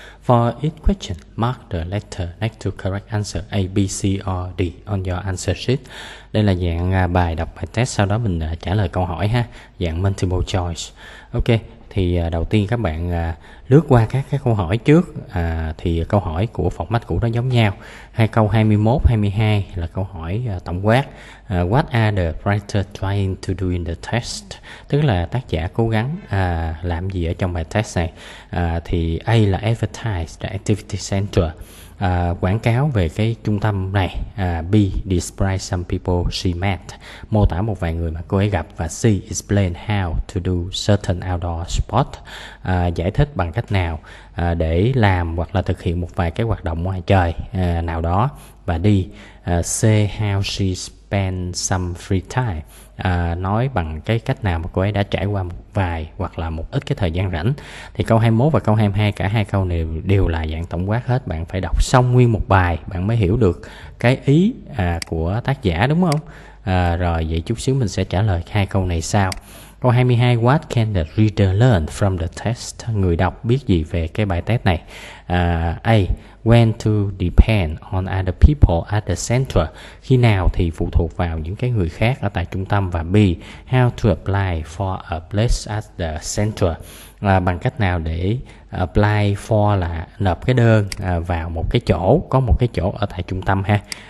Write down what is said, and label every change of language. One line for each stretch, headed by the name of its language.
English: For each question, mark the letter next to correct answer A, B, C, or D on your answer sheet.
Vietnamese: Đây là dạng bài đọc bài test, sau đó mình trả lời câu hỏi ha, dạng multiple choice. Ok, thì đầu tiên các bạn lướt qua các câu hỏi trước, thì câu hỏi của format cũ đó giống nhau. Hai câu 21, 22 là câu hỏi tổng quát.
English: What are the writer trying to do in the test?
Vietnamese: Tức là tác giả cố gắng làm gì ở trong bài test này. Thì A là
English: advertise the activity center,
Vietnamese: quảng cáo về cái trung tâm này. B,
English: describe some people she met,
Vietnamese: mô tả một vài người mà cô ấy gặp. Và C,
English: explain how to do certain outdoor sport,
Vietnamese: giải thích bằng cách nào để làm hoặc là thực hiện một vài cái hoạt động ngoài trời nào đó. Và D, C,
English: how she spend some free time,
Vietnamese: nói bằng cái cách nào mà cô ấy đã trải qua một vài hoặc là một ít cái thời gian rảnh. Thì câu 21 và câu 22, cả hai câu này đều là dạng tổng quát hết. Bạn phải đọc xong nguyên một bài bạn mới hiểu được cái ý của tác giả, đúng không? Rồi vậy chút xíu mình sẽ trả lời hai câu này sau. Câu 22,
English: what can the reader learn from the test?
Vietnamese: Người đọc biết gì về cái bài test này? A,
English: when to depend on other people at the center,
Vietnamese: khi nào thì phụ thuộc vào những cái người khác ở tại trung tâm. Và B,
English: how to apply for a place at the center,
Vietnamese: là bằng cách nào để apply for, là nộp cái đơn vào một cái chỗ, có một cái chỗ ở tại trung tâm ha.